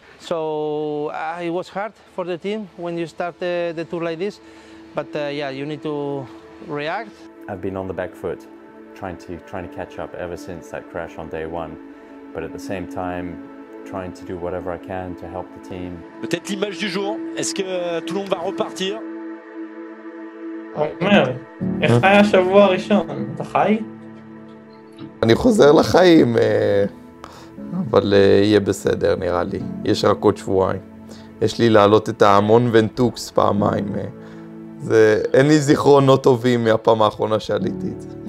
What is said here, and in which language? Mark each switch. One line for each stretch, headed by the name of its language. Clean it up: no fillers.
English: So it was hard for the team when you start the tour like this. But yeah, you need to react. I've been on the back foot, trying to catch up ever since that crash on day one. But at the same time, trying to do whatever I can to help the team.
French: Peut-être l'image du jour. Est-ce que tout le monde va repartir?
Hebrew: Omer, איך היה השבוע הראשון? אתה חי? אני חוזר לחיים, אבל יהיה בסדר, נראה לי. יש רק עוד שבועיים. יש לי לעלות את ההמון ונטוקס פעמיים. זה, אין לי זיכרונות טובים מהפעם האחרונה שעליתי את זה.